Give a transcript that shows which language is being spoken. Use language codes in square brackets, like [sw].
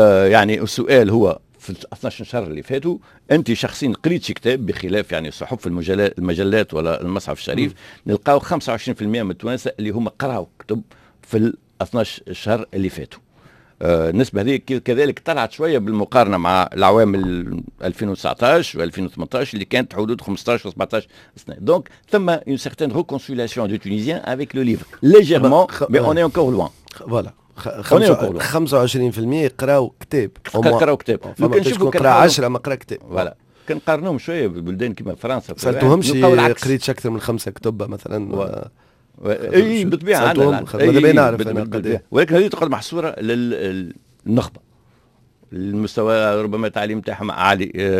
[ar] يعني السؤال هو في 12 شهر اللي فاتوا انت شخصين قريت شي كتاب، بخلاف يعني صحف المجلات ولا المصحف الشريف، نلقاو 25% من التوانسة اللي هم قرأوا كتب في 12 شهر اللي فاتوا. النسبة هذه كذلك طلعت شوية بالمقارنة مع العوام 2019 و 2018 اللي كانت حدود 15 و 17 سنة. دونك ثم [fr] une certaine reconciliation du tunisien avec le livre légèrement mais on est encore loin. [ar] Voilà. 25% يقراو كتاب. قراو كتاب. فما تشكون قرأ 10 ما قرأ كتاب. [fr] Voilà. [ar] كنقارنهم شوية ببلدان كما فرنسا. سألتهم شي قريت أكثر من 5 كتب مثلا. اي بطبيعه انا ماذا بين نعرف انا قديه، ولكن هذه تقعد محصوره للنخبه المستوى ربما تعليم تاعهم عالي.